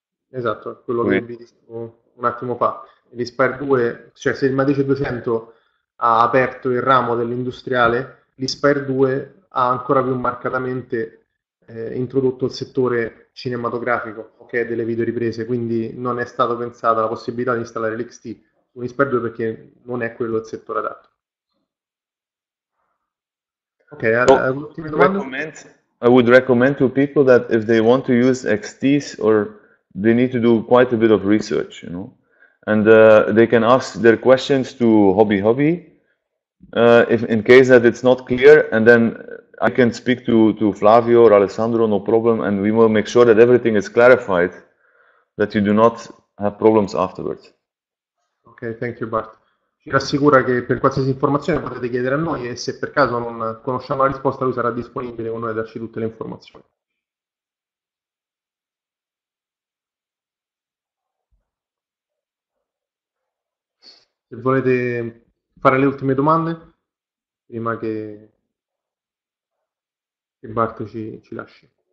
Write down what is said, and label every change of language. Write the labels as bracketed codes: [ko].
[it] Esatto, quello che vi dicevo un attimo fa. L'Inspire 2, cioè se il matrice 200 ha aperto il ramo dell'industriale, l'Inspire 2 ha ancora più marcatamente introdotto il settore cinematografico, okay, delle videoriprese, quindi non è stata pensata la possibilità di installare l'XT su l'Inspire 2 perché non è quello il settore adatto. Ok, un'ultima domanda. [en] I would recommend to people that if they want to use XTs or they need to do quite a bit of research, you know, and they can ask their questions to Hobby Hobby. If in case that it's not clear, and then I can speak to Flavio or Alessandro, no problem, and we will make sure that everything is clarified, that you do not have problems afterwards. Ok, thank you Bart. [it] Ci rassicura che per qualsiasi informazione potete chiedere a noi e se per caso non conosciamo la risposta, lui sarà disponibile con noi a darci tutte le informazioni. Se volete fare le ultime domande prima che Bart ci lasci.